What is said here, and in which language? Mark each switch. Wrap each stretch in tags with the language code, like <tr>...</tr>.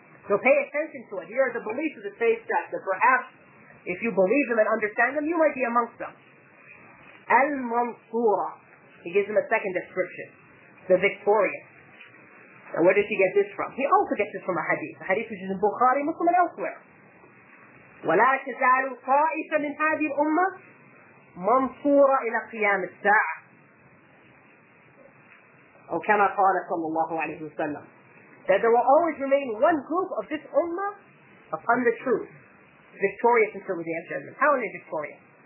<en>So pay attention to it. Here are the beliefs of the sage sect, that perhaps if you believe them and understand them, you might be amongst them. Al-Mansura. He gives him a second description. The victorious. Now where does he get this from? He also gets this from a hadith which is in Bukhari, Muslim, and elsewhere.</en> <ar>وَلَا تَزَالُ طَائِفَ مِنْ هَذِي الْأُمَّةِ مَنْصُورَ إِلَى قِيَامِ السَّاعَةِ أو كما قال صلى الله عليه وسلم.</ar> <en>That there will always remain one group of this ummah upon the truth, victorious until the day of judgment. How are they victorious?</en>